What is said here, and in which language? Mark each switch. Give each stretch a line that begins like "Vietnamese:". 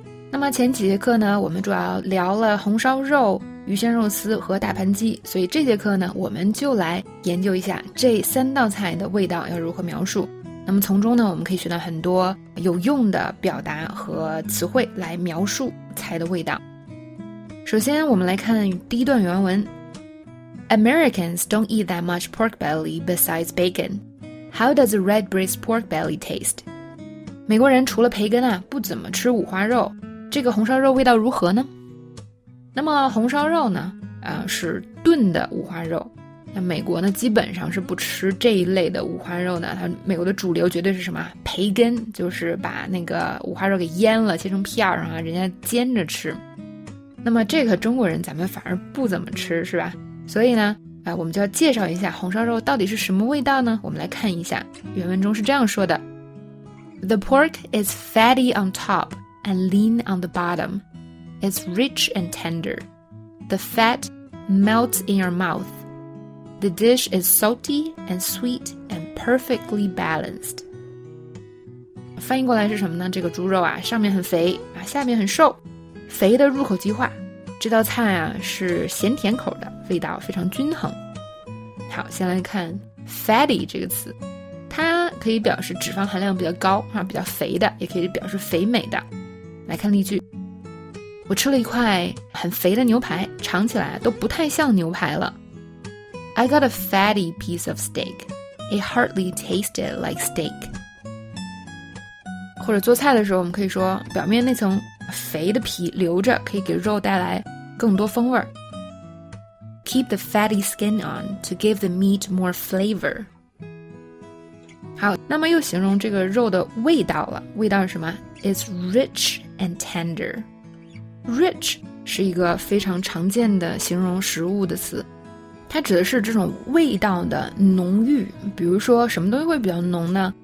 Chinese: 那么前几节课呢，我们主要聊了红烧肉、鱼鲜肉丝和大盘鸡，所以这节课呢，我们就来研究一下这三道菜的味道要如何描述。那么从中呢，我们可以学到很多有用的表达和词汇来描述菜的味道。首先我们来看第一段原文。
English: Americans don't eat that much pork belly besides bacon. How does a red breast pork belly taste?
Chinese: 美国人除了培根啊，不怎么吃五花肉，这个红烧肉味道如何呢？那么红烧肉呢，是炖的五花肉。那美国呢，基本上是不吃这一类的五花肉的。它美国的主流绝对是什么？培根，就是把那个五花肉给腌了，切成片儿，然后人家煎着吃。那么这个中国人咱们反而不怎么吃，是吧？所以呢，我们就要介绍一下红烧肉到底是什么味道呢？我们来看一下，原文中是这样说的
English: ：The pork is fatty on top and lean on the bottom. It's rich and tender. The fat melts in your mouth. The dish is salty and sweet and perfectly balanced.
Chinese: 翻译过来是什么呢？这个猪肉啊，上面很肥啊，下面很瘦，肥的入口即化。这道菜啊是咸甜口的，味道非常均衡。好，先来看 fatty 这个词，它可以表示脂肪含量比较高啊，比较肥的，也可以表示肥美的。来看例句，我吃了一块很肥的牛排，尝起来都不太像牛排了。
English: I got a fatty piece of steak. It hardly tasted like steak.
Chinese: 或者做菜的时候，我们可以说表面那层肥的皮留着，可以给肉带来更多风味。
English: Keep the fatty skin on to give the meat more flavor.
Chinese: 好，那么又形容这个肉的味道了。味道是什么？
English: It's rich and tender.
Chinese: Rich 是一个非常常见的形容食物的词。它指的是这种味道的浓郁，比如说什么东西会比较浓呢？